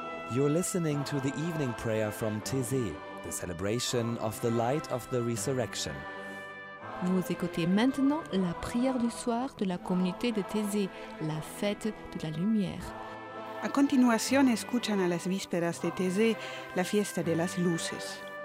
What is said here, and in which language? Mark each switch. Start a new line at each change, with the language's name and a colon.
English: You're listening to the evening prayer from Taizé, the celebration of the light of the resurrection.
French: Vous écoutez maintenant la prière du soir de la communauté de Taizé, la fête de la lumière.
Spanish: A continuación escuchan a las vísperas de Taizé, la fiesta de las luces.